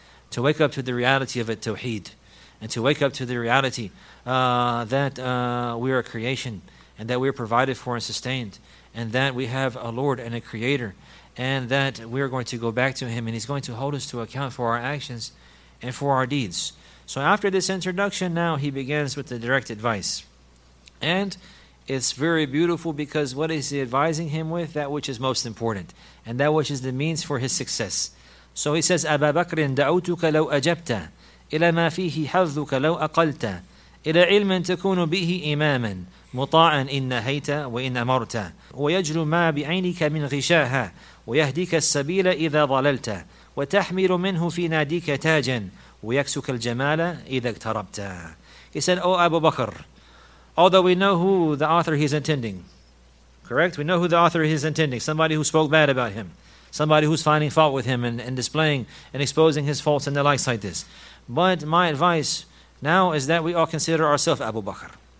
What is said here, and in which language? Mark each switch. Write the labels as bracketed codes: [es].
[en] To wake up to the reality of al-tawheed. And to wake up to the reality that we are a creation and that we are provided for and sustained and that we have a Lord and a Creator and that we are going to go back to Him and He's going to hold us to account for our actions and for our deeds. So after this introduction, now he begins with the direct advice. And it's very beautiful because what is he advising him with? That which is most important and that which is the means for his success. So he says, [ar] أَبَا بَكْرٍ دَعُوتُكَ لَوْ أَجَبْتَ إلى ما فيه حظك لو أقلت إلى علم تكون به إماما مطاعا إن نهيت وإن أمرت ويجل ما بعينك من غشاها ويهديك السبيل إذا ضللت وتحمل منه في ناديك تاجا ويكسك الجمال إذا اقتربت. [en] He said, O Abu Bakr, although we know who the author he's intending, correct? We know who the author he's intending, somebody who spoke bad about him, somebody who's finding fault with him and displaying and exposing his faults and the likes like this. But my advice now is that we all consider ourselves Abu Bakr.